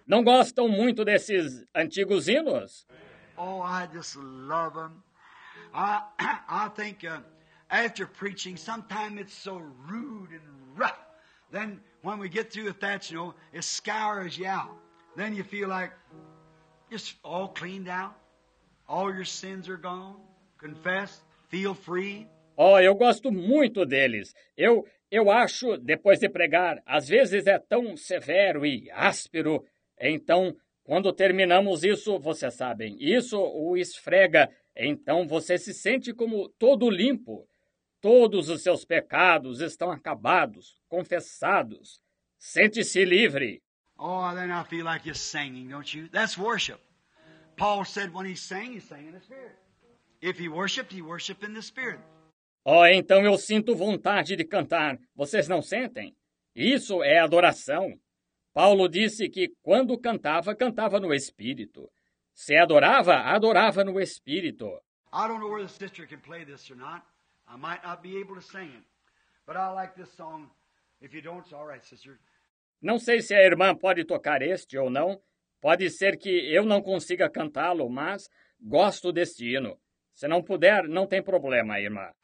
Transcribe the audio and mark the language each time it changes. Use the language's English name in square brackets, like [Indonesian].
[Portuguese] Não gostam muito desses antigos hinos? [English] Oh, I just love them. I think after preaching, sometimes it's so rude and rough. Then when we get through with that, you know, it scours you out. Then you feel like just all cleaned out. All your sins are gone. Confess. Feel free. [Portuguese] Oh, eu gosto muito deles. Eu acho, depois de pregar, às vezes é tão severo e áspero. Então, quando terminamos isso, vocês sabem, isso o esfrega. Então, você se sente como todo limpo. Todos os seus pecados estão acabados, confessados. Sente-se livre. [English] Oh, then I feel like you're singing, don't you? That's worship. Paul said when he sang in the Spirit. If he worshiped, he worshiped in the Spirit. [Portuguese] Oh, então eu sinto vontade de cantar. Vocês não sentem? Isso é adoração. Paulo disse que quando cantava, cantava no Espírito. Se adorava, adorava no Espírito. [English] I don't know whether the sister can play this or not. I might not be able to sing it, but I like this song. If you don't, it's all right, sister. [Portuguese] Não sei se a irmã pode tocar este ou não. Pode ser que eu não consiga cantá-lo, mas gosto deste hino. Se não puder, não tem problema, irmã.